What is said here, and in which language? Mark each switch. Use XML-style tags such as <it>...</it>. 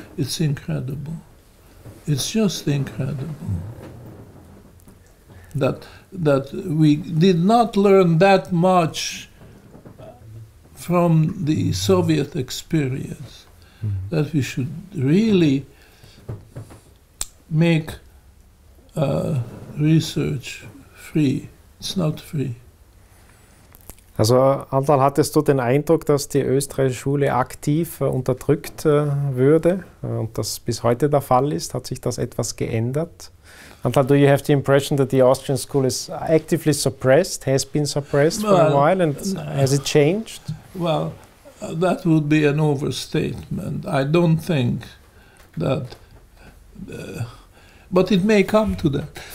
<en>It's incredible. It's just incredible that we did not learn that much from the Soviet experience, that we should really make research free. It's not free.</en> <de>Also, Antal, hattest du den Eindruck, dass die österreichische Schule aktiv unterdrückt würde und das bis heute der Fall ist? Hat sich das etwas geändert?</de> <en>Antal, do you have the impression that the Austrian school is actively suppressed, has been suppressed for a while, and has it changed? Well, that would be an overstatement. I don't think that, but it may come to that.</en>